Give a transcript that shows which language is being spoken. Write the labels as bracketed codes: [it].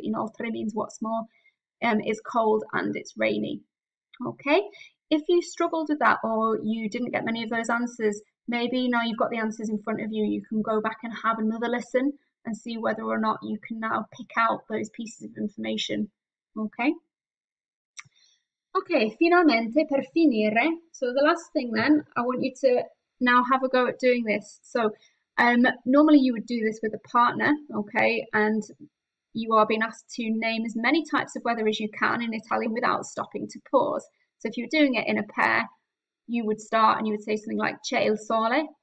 [en] Inoltre means what's more, it's cold and it's rainy. Okay, if you struggled with that or you didn't get many of those answers, maybe now you've got the answers in front of you, you can go back and have another listen and see whether or not you can now pick out those pieces of information. Okay. [it] Okay, finalmente, per finire. [en] So the last thing then, I want you to now have a go at doing this. So normally you would do this with a partner, okay, and you are being asked to name as many types of weather as you can in Italian without stopping to pause. So if you're doing it in a pair, you would start and you would say something like [it] c'è il sole.